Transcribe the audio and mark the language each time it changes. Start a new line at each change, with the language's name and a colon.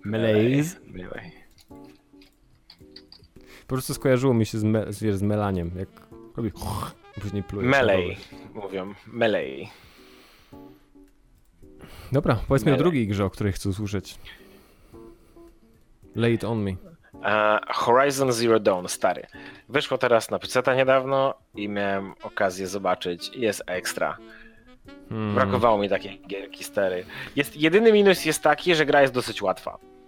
Polish: Melejz? Po prostu skojarzyło mi się z melaniem, jak robi... Później plujesz. Melej, mówią. Melej. Dobra, powiedz mi o drugiej grze, o której chcę usłyszeć.
English: Lay it on me.
Polish: Horizon Zero Dawn, stary. Wyszło teraz na PC-ta niedawno i miałem okazję zobaczyć. Jest ekstra. Brakowało mi takiej gierki, stary. Jedyny minus jest taki, że gra jest dosyć łatwa.